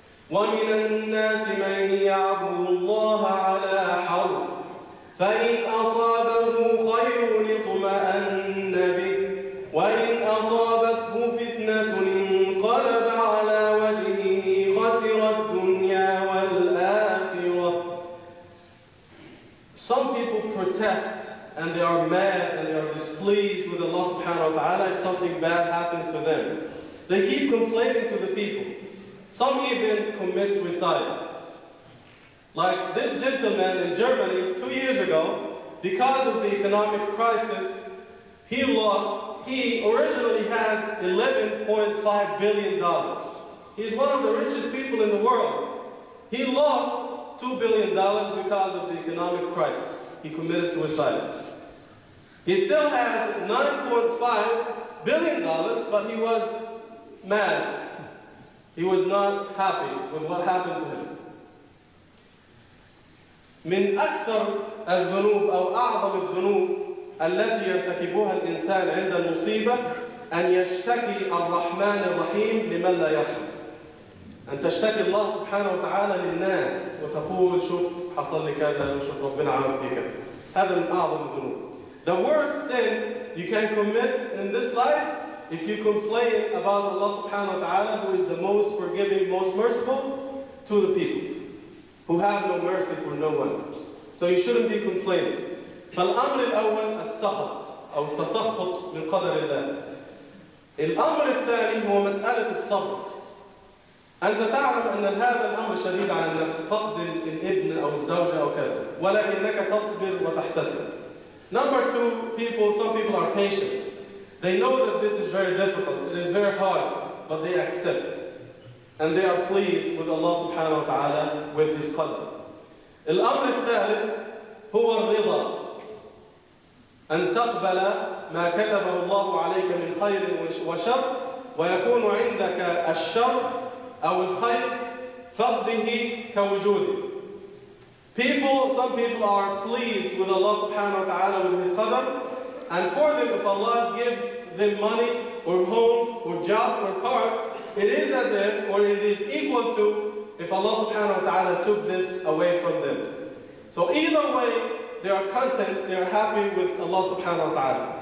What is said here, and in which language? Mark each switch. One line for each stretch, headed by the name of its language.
Arabic: ومن الناس من يعبد الله على حرف فإن أصابه خير اطمأن به وإن أصابته فتنة انقلب على وجهه خسر الدنيا والآخرة.
English: Some people protest and they are mad and they are displeased with Allah subhanahu wa ta'ala if something bad happens to them. They keep complaining to the people. Some even commit suicide. Like this gentleman in Germany 2 years ago, because of the economic crisis, he originally had $11.5 billion. He's one of the richest people in the world. He lost $2 billion because of the economic crisis. He committed suicide. He still had $9.5 billion, but he was mad. He was not happy with what happened to him.
Arabic: من أكثر الذنوب أو أعظم الذنوب التي يرتكبها الإنسان عند المصيبة أن يشتكي الرحمن الرحيم لمن لا يرحم. أن تشتكي الله سبحانه وتعالى للناس وتقول شوف حصل لي كذا وشوف ربنا عمل في كذا. هذا من أعظم الذنوب.
English: The worst sin you can commit in this life if you complain about Allah subhanahu wa ta'ala, who is the most forgiving, most merciful to the people who have no mercy for no one. So you shouldn't be complaining.
Arabic: فالأمر الأول السخط أو التسخط من قدر الله. الأمر الثاني هو مسألة الصبر. أنت تعلم أن هذا الأمر شديد على النفس، فقد الابن أو الزوجة أو كذا، ولكنك تصبر وتحتسب.
English: Number two, some people are patient. They know that this is very difficult, it is very hard, but they accept. And they are pleased with Allah subhanahu wa ta'ala with His qadr.
Arabic: الأمر الثالث هو الرضا. أن تقبل ما كتبه الله عليك من خير وشر، ويكون عندك الشر أو الخير فقده كوجوده.
English: Some people are pleased with Allah subhanahu wa ta'ala with His qadr, and for them, if Allah gives them money or homes or jobs or cars, it is as if, or it is equal to, if Allah subhanahu wa ta'ala took this away from them. So either way, they are content, they are happy with Allah subhanahu wa ta'ala.